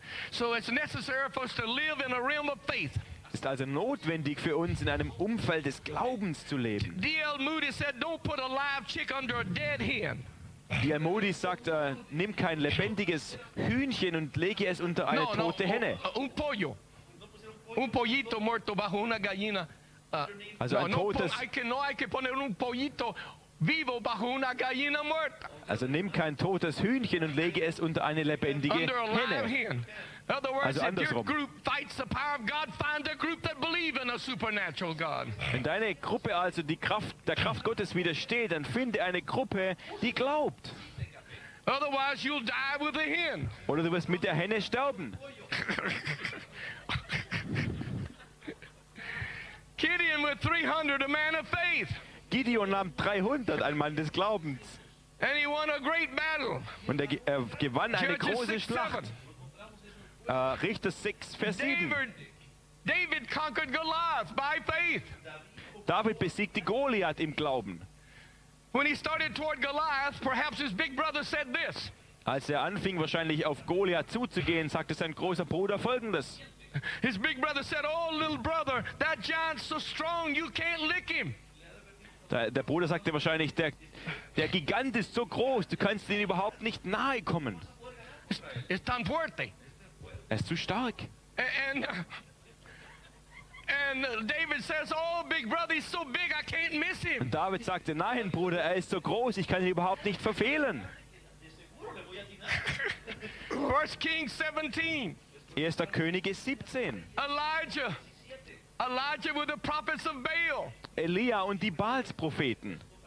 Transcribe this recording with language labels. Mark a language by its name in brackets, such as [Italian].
[English] So it's necessary for us to live in a realm of faith. [German] Ist also notwendig für uns, in einem Umfeld des Glaubens zu leben. [English] D.L. Moody said, don't put a live chick under a dead hen. [German] D.L. Moody sagt, nimm kein lebendiges Hühnchen und lege es unter eine tote Henne. [Spanish] Un pollo. Un pollito muerto bajo una gallina. [German] Also ein totes. [Spanish] No hay que poner un pollito vivo bajo una gallina muerta. [German] Also nimm kein totes Hühnchen und lege es unter eine lebendige Henne. [English] In other words, if your group fights the power of God, find a group that believe in a supernatural God. [German] Wenn deine Gruppe also die Kraft der Kraft Gottes widersteht, dann finde eine Gruppe, die glaubt. [English] Otherwise, you'll die with the hen. [German] Oder du wirst mit der Henne sterben. [English] Gideon with 300, a man of faith. [German] Gideon nahm 300, ein Mann des Glaubens. [English] And he won a great battle. [German] Und er gewann eine große Schlacht. Richter 6, Vers 7. [English] David conquered Goliath by faith. [German] David besiegte Goliath im Glauben. [English] When he started toward Goliath, perhaps his big brother said this. [German] Als er anfing, wahrscheinlich auf Goliath zuzugehen, sagte sein großer Bruder Folgendes. [English] His big brother said, oh, little brother, that giant's so strong, you can't lick him. [German] Der Bruder sagte wahrscheinlich, der Gigant ist so groß, du kannst ihn überhaupt nicht nahe kommen. Es ist [Spanish] tan fuerte. [German] Er ist zu stark. [English] And David says, oh, big brother, he's so big, I can't miss him. [German] Und David sagte, nein, Bruder, er ist so groß, ich kann ihn überhaupt nicht verfehlen. [English] 1. Kings 17. [German] 1. Könige 17. [English] Elijah with the prophets of Baal. [German] Elia und die Baalspropheten.